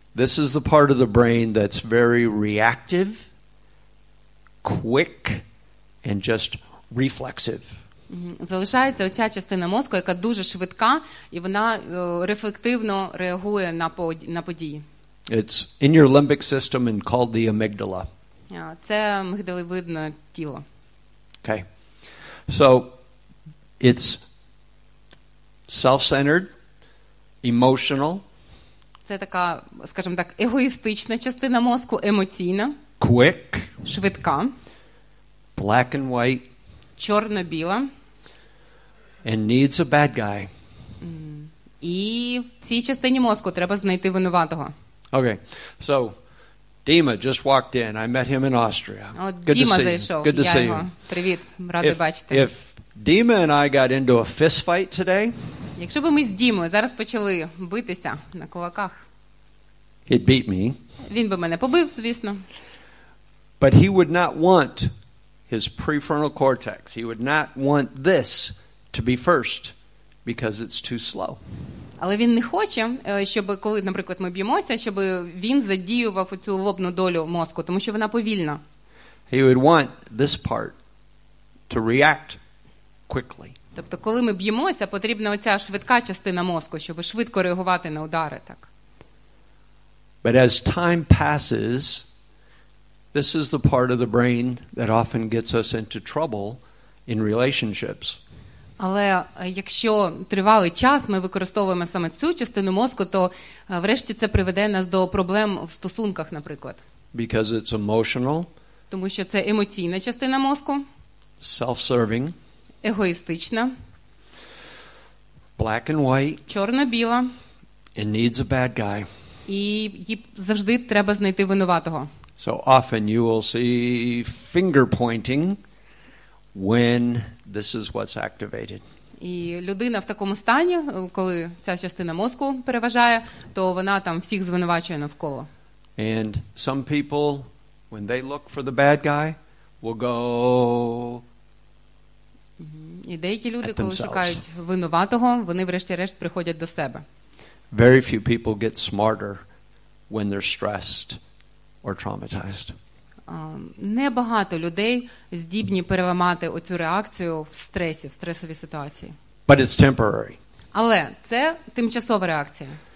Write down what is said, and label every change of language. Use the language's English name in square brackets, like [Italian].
[English] This is the part of the brain that's very reactive, quick and just reflexive. [Ukrainian] Залишається оця частина мозку, яка дуже швидка, і вона рефлективно реагує на події. [English] It's in your limbic system and called the amygdala. [Ukrainian] Це мигдалевидне тіло. [English] Okay. So it's self-centered, emotional. [Ukrainian] Це така, скажімо так, егоїстична частина мозку, емоційна. [English] Quick. [Ukrainian] Швидка. [English] Black and white. [Ukrainian] Чорно-біла. [English] And needs a bad guy. [Ukrainian] І в цій частині мозку треба знайти винуватого. [English] Okay. So Dima just walked in. I met him in Austria. Good Dima [Ukrainian] зайшов. [English] Good to see you. [Ukrainian] Привіт. Радий бачити. [English] If Dima and I got into a fist fight today, [Ukrainian] якщо б ми з Дімою зараз почали битися на кулаках, [English] he'd beat me. [Ukrainian] Він би мене побив, звісно. [English] But he would not want his prefrontal cortex. He would not want this to be first because it's too slow. [Ukrainian] Але він не хоче, щоб коли, наприклад, ми б'ємося, щоб він задіював оцю лобну долю мозку, тому що вона повільна. [English] He would want this part to react quickly. [Ukrainian] Тобто коли ми б'ємося, потрібна оця швидка частина мозку, щоб швидко реагувати на удари, так. [English] But as time passes, this is the part of the brain that often gets us into trouble in relationships. [Ukrainian] Але якщо тривалий час ми використовуємо саме цю частину мозку, то врешті це приведе нас до проблем в стосунках, наприклад. [English] Because it's emotional. [Ukrainian] Тому що це емоційна частина мозку. [English] Self-serving. [Ukrainian] Егоїстична. [English] black and white, [Ukrainian] чорно-біла, [English] and needs a bad guy. [Ukrainian] І їй завжди треба знайти винуватого. [English] So often you will see finger pointing when this is what's activated. [Ukrainian] І людина в такому стані, коли ця частина мозку переважає, то вона там всіх звинувачує навколо. [English] And some people, when they look for the bad guy, will go. [Ukrainian] І деякі люди, коли шукають винуватого, вони врешті-решт приходять до себе. [English] Very few people get smarter when they're stressed or traumatized. [Ukrainian] Небагато людей здібні переламати оцю реакцію в стресі, в стресовій ситуації. [English] But it's temporary. [Ukrainian] Але це тимчасова реакція.